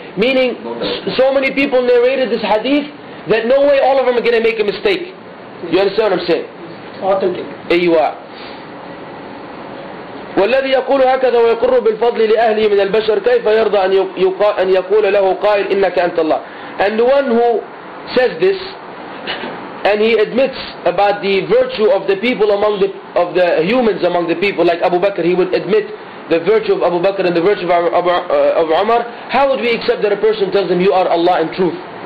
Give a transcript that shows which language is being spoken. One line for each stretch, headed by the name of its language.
English: Meaning, so many people narrated this hadith that no way all of them are going to make a mistake. You understand what I'm saying? Authentic.
Arabic: أيوة. والذي يقول هكذا ويقر بالفضل لأهله من البشر كيف يرضى أن يقول له قائل إنك أنت الله.
English: And the one who says this and he admits about the virtue of the people among the of the humans among the people like Abu Bakr, he would admit the virtue of Abu Bakr and the virtue of Umar, how would we accept that a person tells him you are Allah in truth?